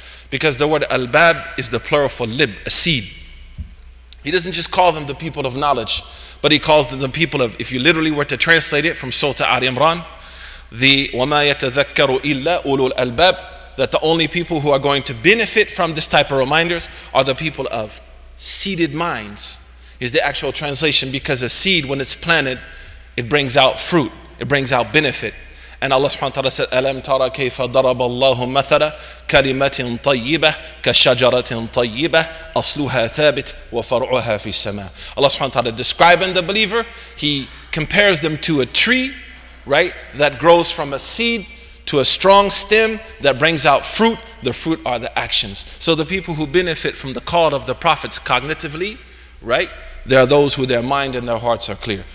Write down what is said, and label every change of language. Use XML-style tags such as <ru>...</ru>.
<en>Because the word albab is the plural for lib, a seed. He doesn't just call them the people of knowledge, but he calls them the people of, if you literally were to translate it from Surah Ali Imran, the</en> <ar>وَمَا يَتَذَكَّرُ إِلَّا أُولُو الْأَلْبَابِ,</ar> <en>that the only people who are going to benefit from this type of reminders are the people of seeded minds, is the actual translation, because a seed, when it's planted, it brings out fruit, it brings out benefit. And Allah subhanahu wa ta'ala said,</en> <ar>أَلَمْ تَرَ كَيْفَ ضَرَبَ اللَّهُ مَثَلًا كَلِمَةٍ طَيِّبَةٍ كَشَجَرَةٍ طَيِّبَةٍ أَصْلُهَا ثَابِتٍ وَفَرْعُهَا فِي السَّمَاءِ.</ar> <en>Allah subhanahu wa ta'ala describing the believer, he compares them to a tree, right, that grows from a seed to a strong stem that brings out fruit. The fruit are the actions. So the people who benefit from the call of the prophets cognitively, right, there are those who their mind and their hearts are clear.</en>